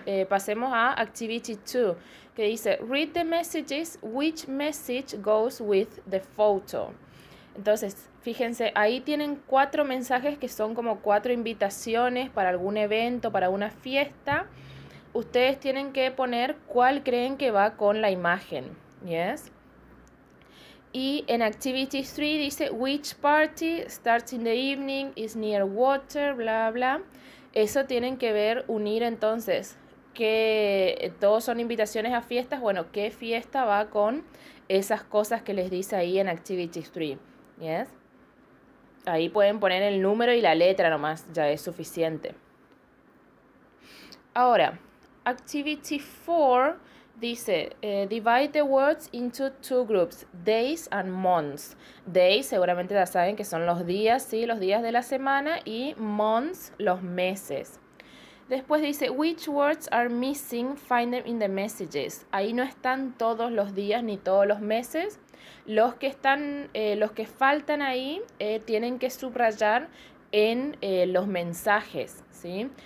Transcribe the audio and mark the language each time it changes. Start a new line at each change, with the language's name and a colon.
Spanish: Pasemos a Activity 2, que dice,
English: read the messages, which message goes with the photo?
Spanish: Entonces, fíjense, ahí tienen cuatro mensajes que son como cuatro invitaciones para algún evento, para una fiesta. Ustedes tienen que poner cuál creen que va con la imagen, ¿yes? Y en Activity 3 dice,
English: which party starts in the evening, is near water, bla, bla.
Spanish: Eso tienen que ver, unir entonces, que todos son invitaciones a fiestas. Bueno, ¿qué fiesta va con esas cosas que les dice ahí en Activity 3? ¿Yes? Ahí pueden poner el número y la letra nomás, ya es suficiente. Ahora, Activity 4 dice,
English: divide the words into two groups, days and months.
Spanish: Days, seguramente ya saben que son los días, sí, los días de la semana, y months, los meses. Después dice,
English: which words are missing? Find them in the messages.
Spanish: Ahí no están todos los días ni todos los meses. Los que faltan ahí tienen que subrayar en los mensajes, ¿sí?